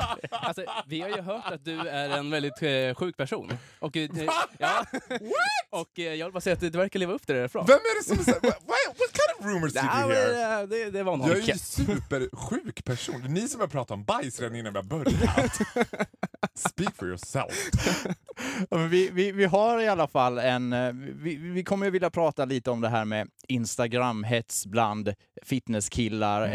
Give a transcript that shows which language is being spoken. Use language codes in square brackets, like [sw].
[sv] Alltså, vi har ju hört att du är en väldigt sjuk person. Och, ja. What? Och jag vill bara säga att du verkar leva upp till det därifrån. Vem är det som säger? [en] What kind of rumors did you hear? [sv] Det var någon. Jag är ju en supersjuk person. Det är ni som har pratat om bajs redan innan vi har börjat. [en] Speak for yourself. [sv] Vi har i alla fall en... Vi kommer ju vilja prata lite om det här med Instagram-hets bland fitnesskillar. Mm-hmm.